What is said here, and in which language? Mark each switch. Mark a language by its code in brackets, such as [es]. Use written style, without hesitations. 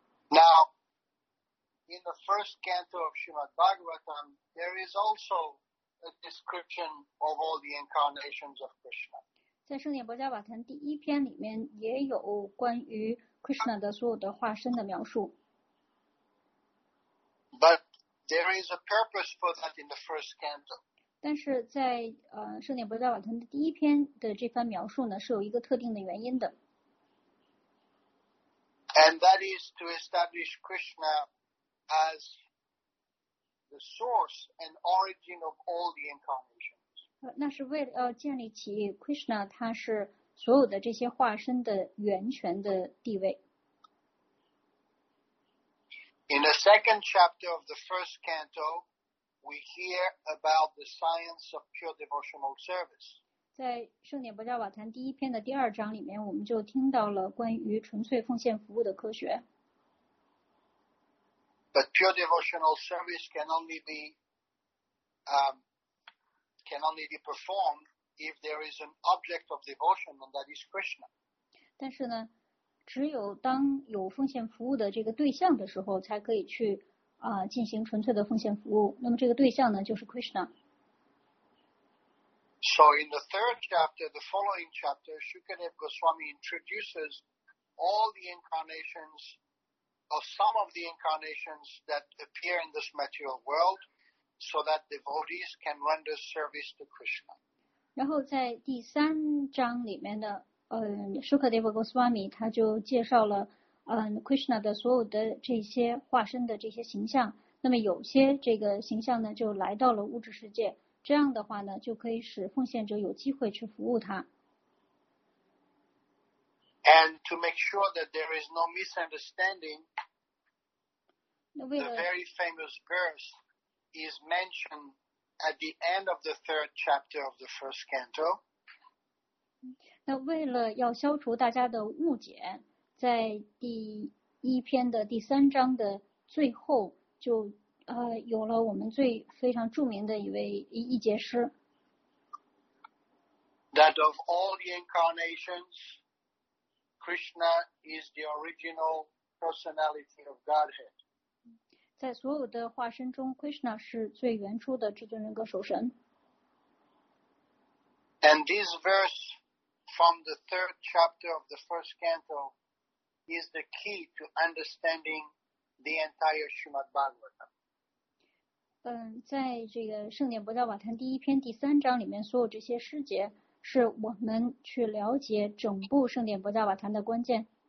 [en] Now, in the first canto of Srimad Bhagavatam, there is also a description of all the incarnations of Krishna. [zh] 在圣典薄伽瓦坛第一篇里面也有关于 Krishna 的所有的化身的描述。 [en] But there is a purpose for that in the first canto. [zh] 但是在圣典薄伽瓦坛的第一篇的这番描述呢，是有一个特定的原因的。 [en] And that is to establish Krishna as the source and origin of all the incarnations. [zh] 那是为了要建立起 Krishna 他是所有的这些化身的源泉的地位。 [en] In the second chapter of the first canto, we hear about the science of pure devotional service. [zh] 在圣典薄伽瓦坛第一篇的第二章里面，我们就听到了关于纯粹奉献服务的科学。 [en] But pure devotional service can only be, can only be performed if there is an object of devotion, and that is Krishna. [zh] 但是呢，只有当有奉献服务的这个对象的时候，才可以去进行纯粹的奉献服务。那么这个对象呢，就是 Krishna. [en] So in the third chapter, the following chapter, Shukadeva Goswami introduces all the incarnations, or some of the incarnations that appear in this material world. So that devotees can render service to Krishna. [zh] 然后在第三章里面的Shukadeva Goswami 他就介绍了Krishna 的所有的这些化身的这些形象，那么有些这个形象呢就来到了物质世界，这样的话呢就可以使奉献者有机会去服务他。 [en] And to make sure that there is no misunderstanding, the very famous verse is mentioned at the end of the third chapter of the first canto. [zh] 那为了要消除大家的误解，在第一篇的第三章的最后就有了我们最非常著名的一节诗。 [en] That of all the incarnations, Krishna is the original personality of Godhead. [zh] 在所有的化身中 ，Krishna 是最原初的至尊人格首神。 [en] And this verse from the third chapter of the first canto is the key to understanding the entire Srimad Bhagavatam. [zh] 在这个《圣典博迦瓦坛》第一篇第三章里面，所有这些诗节是我们去了解整部《圣典博迦瓦坛》的关键。